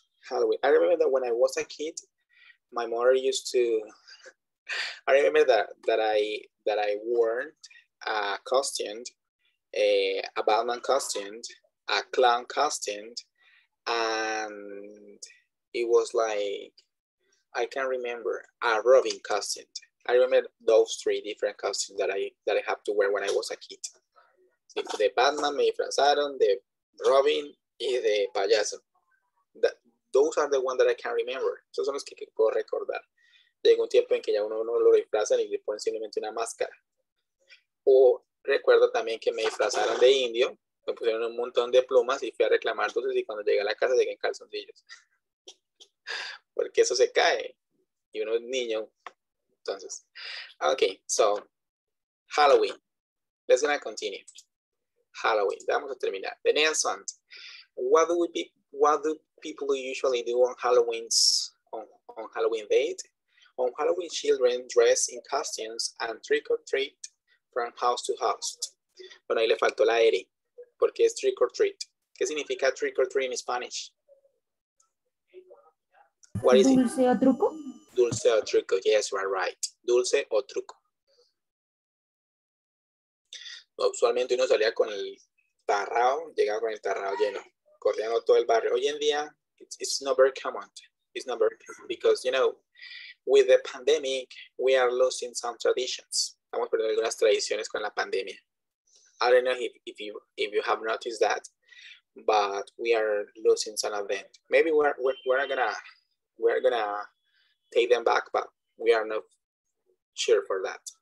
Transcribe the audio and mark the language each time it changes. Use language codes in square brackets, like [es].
[en] I remember that when I was a kid, my mother used to, I remember that I wore a costume, a Batman costume, a clown costume, and it was like, I can't remember, a Robin costume. I remember those three different costumes that I have to wear when I was a kid. The Batman, my friends, Adam, the Robin [es] y de payaso. [en] Those are the ones that I can remember. [es] Esos son los que puedo recordar. Llega un tiempo en que ya uno no lo disfraza y le ponen simplemente una máscara. O Recuerdo también que me disfrazaron de indio, me pusieron un montón de plumas y fui a reclamar dulces y cuando llegué a la casa llegué en calzoncillos. Porque eso se cae. Y uno es niño. Entonces, [en] okay, so, Halloween. Let's gonna continue. [es] Halloween, vamos a terminar. [en] The next one. What do people usually do on Halloween's, on Halloween date? On Halloween, children dress in costumes and trick or treat from house to house. [es] Bueno, ahí le faltó la Eri, porque es trick or treat. ¿Qué significa trick or treat [en] in Spanish? What is dulce it? [es] O truco. Dulce o truco, [en] yes, you are right. [es] Dulce o truco. Usualmente uno salía con el tarrao, llegaba con el tarrao lleno, corriendo todo el barrio. Hoy en día, [en] it's not very common. It's not very common because, you know, with the pandemic, we are losing some traditions. [es] Estamos perdiendo algunas tradiciones con la pandemia. [en] I don't know if you have noticed that, but we are losing some of them. Maybe we're gonna take them back, but we are not sure for that.